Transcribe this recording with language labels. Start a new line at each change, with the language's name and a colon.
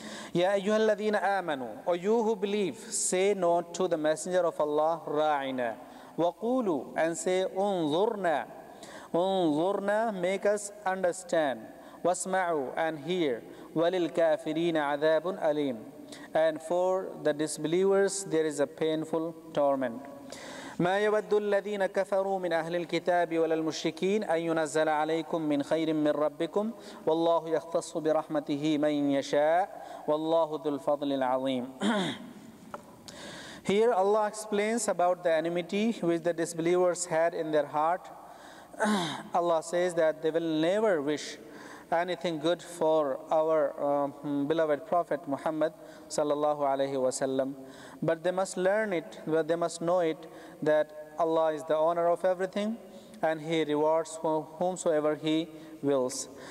English: Ya ayyuha alladhina amanu, O you who believe, say not to the Messenger of Allah, ra'ina. Waqulu, and say unzurna. Unzurna, make us understand. Wasma'u, and hear. Walil kafirina adhabun alim. And for the disbelievers, there is a painful torment.
Arabic: ما يود الذين كفروا من أهل الكتاب ولا المشركين أن ينزل عليكم من خير من ربكم والله يختص برحمته من يشاء والله ذو الفضل العظيم.
English: Here Allah explains about the enmity which the disbelievers had in their heart. Allah says that they will never wish anything good for our beloved Prophet Muhammad sallallahu alaihi wasallam, but they must learn it, but they must know it, that Allah is the owner of everything, and He rewards whomsoever He wills.